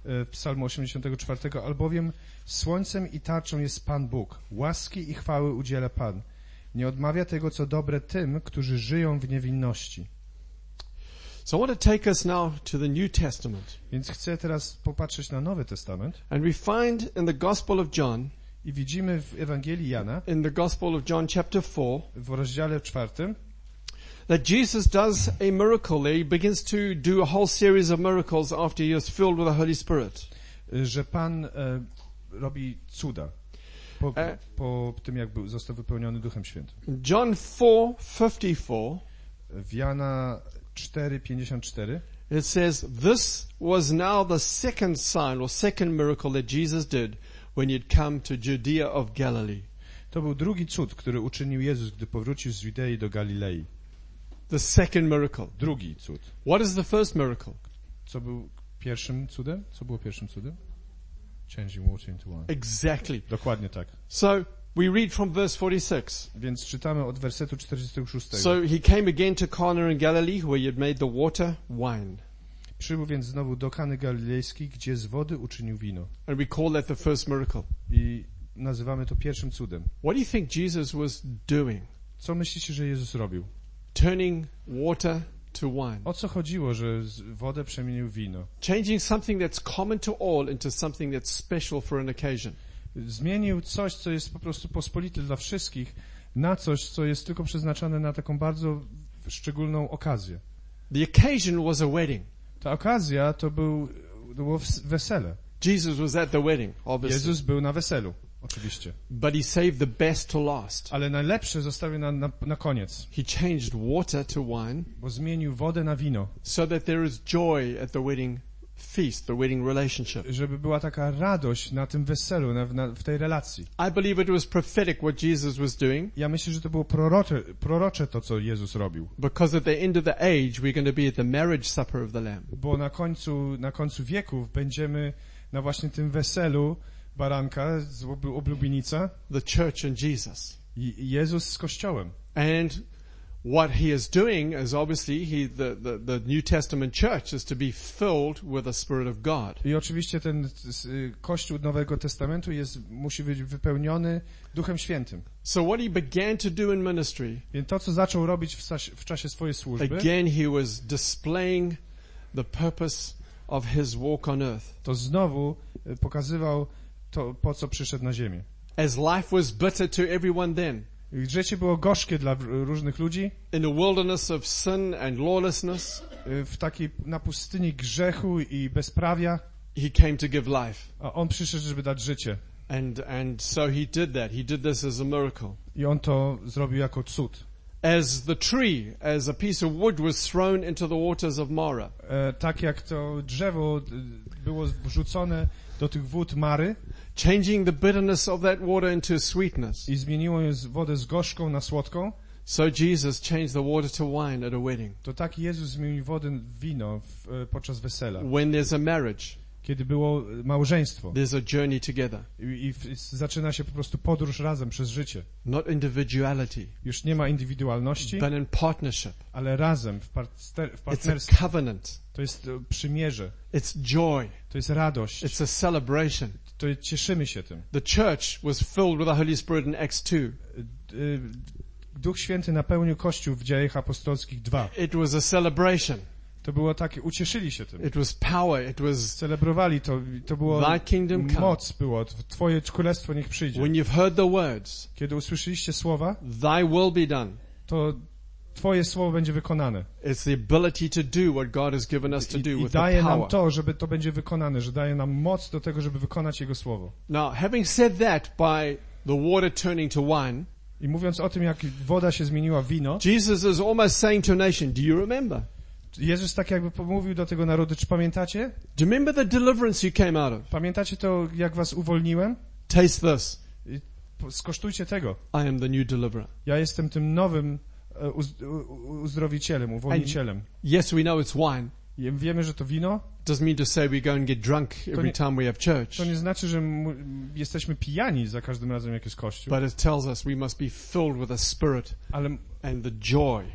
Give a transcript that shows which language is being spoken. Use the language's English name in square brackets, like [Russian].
[Polish] Psalmu 84, albowiem słońcem i tarczą jest Pan Bóg. Łaski i chwały udziela Pan. Nie odmawia tego, co dobre tym, którzy żyją w niewinności. [English] So I want to take us now to the New Testament. [Polish] Więc chcę teraz popatrzeć na Nowy Testament. [English] And we find in the Gospel of John, [Polish] i widzimy w Ewangelii Jana, [English] in the Gospel of John chapter 4, [Polish] w rozdziale 4, [English] that Jesus does a miracle. He begins to do a whole series of miracles after he is filled with the Holy Spirit. [Polish] Że Pan robi cuda po tym, jak został wypełniony Duchem Świętym. [English] John 4:54. [Polish] W Jana 4:54. [English] It says, "This was now the second sign or second miracle that Jesus did when he had come to Judea of Galilee." [Polish] To był drugi cud, który uczynił Jezus, gdy powrócił z Judei do Galilei. [English] The second miracle. [Polish] Drugi cud. [English] What is the first miracle? [Polish] Co był pierwszym cudem? Co było pierwszym cudem? [English] Changing water into wine. Exactly. [Polish] Dokładnie tak. [English] So we read from verse 46. [Polish] Więc czytamy od wersetu 46. [English] So he came again to Cana in Galilee, where he had made the water wine. [Polish] Przybył więc znowu do Kany Galilejskiej, gdzie z wody uczynił wino. [English] And we call that the first miracle. [Polish] I nazywamy to pierwszym cudem. [English] What do you think Jesus was doing? [Polish] Co myślicie, że Jezus robił? [English] Turning water to wine. [Polish] O co chodziło, że wodę przemienił w wino? [English] Changing something that's common to all into something that's special for an occasion. [Polish] Zmienił coś, co jest po prostu pospolite dla wszystkich, na coś, co jest tylko przeznaczone na taką bardzo szczególną okazję. [English] The occasion was a wedding. [Polish] Ta okazja to było wesele. [English] Jesus was at the wedding, obviously. [Polish] Jezus był na weselu. Oczywiście. [English] But he saved the best to last. [Polish] Ale najlepsze zostawił na koniec. [English] He changed water to wine. [Polish] Bo zmienił wodę na wino. [English] So that there is joy at the wedding feast, the wedding relationship. [Polish] Żeby była taka radość na tym weselu, w tej relacji. [English] I believe it was prophetic what Jesus was doing. [Polish] Ja myślę, że to było prorocze to, co Jezus robił. [English] Because at the end of the age we're going to be at the marriage supper of the Lamb. [Polish] Bo na końcu wieków będziemy na właśnie tym weselu Baranka, oblubienica. [English] The church and Jesus. [Polish] Jezus z Kościołem. [English] And what he is doing is obviously the New Testament church is to be filled with the Spirit of God. [Polish] I oczywiście ten Kościół Nowego Testamentu musi być wypełniony Duchem Świętym. [English] So what he began to do in ministry. [Polish] Więc to, co zaczął robić w czasie swojej służby. [English] Again he was displaying the purpose of his walk on earth. [Polish] To znowu pokazywał to, po co przyszedł na ziemię. [English] As life was bitter to everyone then. [Polish] Życie było gorzkie dla różnych ludzi. [English] In a wilderness of sin and lawlessness. [Polish] W takiej na pustyni grzechu i bezprawia. [English] He came to give life. [Polish] A on przyszedł, żeby dać życie. [English] And so he did that. He did this as a miracle. [Polish] I on to zrobił jako cud. [English] As the tree, as a piece of wood was thrown into the waters of Mara. [Polish] Tak jak to drzewo było wrzucone do tych wód Mary. [English] Changing the bitterness of that water into sweetness. [Polish] I zmieniło wodę z gorzką na słodką. [English] So Jesus changed the water to wine at a wedding. [Polish] To tak Jezus zmienił wodę w wino podczas wesela. [English] When there's a marriage. [Polish] Kiedy było małżeństwo. [English] There's a journey together. [Polish] Zaczyna się po prostu podróż razem przez życie. [English] Not individuality. [Polish] Już nie ma indywidualności. [English] But in partnership. [Polish] Ale razem w partnerstwie. [English] It's a covenant. [Polish] To jest przymierze. [English] It's joy. [Polish] To jest radość. [English] It's a celebration. [Polish] To cieszymy się tym. [English] The church was filled with the Holy Spirit in Acts 2. [Polish] Duch Święty napełnił Kościół w Dziejach Apostolskich 2. [English] It was a celebration. [Polish] To było takie, ucieszyli się tym. [English] It was power, it was [Polish] celebrowali to. To było [English] thy kingdom come. [Polish] Moc było. Twoje królestwo niech przyjdzie. [English] When you've heard the words, [Polish] kiedy usłyszeliście słowa, [English] thy will be done. [Polish] To twoje słowo będzie wykonane. [English] It's the ability to do what God has given us to do with the power. [Polish] I daje nam to, żeby to będzie wykonane, że daje nam moc do tego, żeby wykonać Jego słowo. [English] Now, having said that, by the water turning to wine. [Polish] I mówiąc o tym, jak woda się zmieniła w wino. [English] Jesus is almost saying to a nation, do you remember? [Polish] Jezus tak jakby pomówił do tego narodu, czy pamiętacie? [English] Do you remember the deliverance you came out of? [Polish] Pamiętacie to, jak was uwolniłem? [English] Taste this. [Polish] Skosztujcie tego. [English] I am the new deliverer. [Polish] Ja jestem tym nowym uzdrowicielem, uwolnicielem. [English] And yes, we know it's wine. [Polish] Wiemy, że to wino. [English] Doesn't mean to say we go and get drunk every time we have church. [Polish] To nie znaczy, że jesteśmy pijani za każdym razem, jak jest kościół. [English] But it tells us we must be filled with the Spirit and the joy.